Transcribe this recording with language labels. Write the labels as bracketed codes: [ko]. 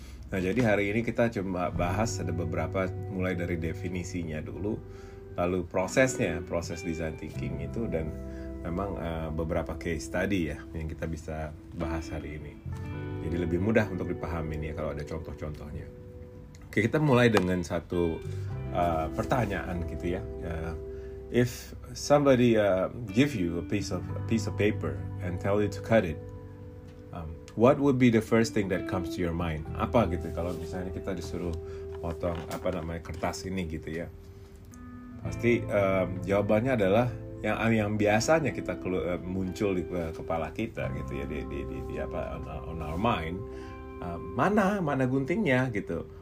[id] Nah, jadi hari ini kita coba bahas ada beberapa, mulai dari definisinya dulu, lalu prosesnya, proses design thinking itu, dan memang beberapa case study ya yang kita bisa bahas hari ini. Jadi lebih mudah untuk dipahami nih ya, kalau ada contoh-contohnya. Oke, kita mulai dengan satu pertanyaan gitu ya. [en] If somebody give you a piece of paper and tell you to cut it, what would be the first thing that comes to your mind? [id] Apa gitu? Kalau misalnya kita disuruh potong apa namanya kertas ini gitu ya, pasti jawabannya adalah yang biasanya kita muncul di kepala kita gitu ya di apa [en] on our mind, [id] mana guntingnya gitu?